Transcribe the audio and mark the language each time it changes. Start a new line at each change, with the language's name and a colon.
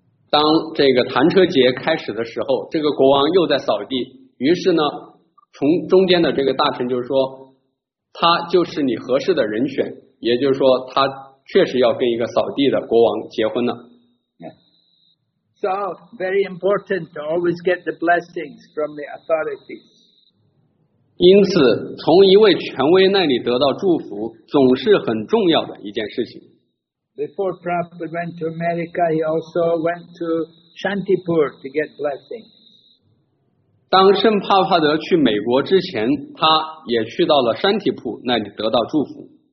Chinese: 当这个弹车节开始的时候，这个国王又在扫地，于是呢，从中间的这个大臣就说，他就是你合适的人选，也就是说他确实要跟一个扫地的国王结婚了。
English: So very important to always get the blessings from the authorities.
Chinese: 因此从一位权威那里得到祝福总是很重要的一件事情。
English: Before Prabhupada went to America, he also went to Shantipur to get blessings.
Chinese: 当圣帕帕德去美国之前，他也去到了山体铺那里得到祝福。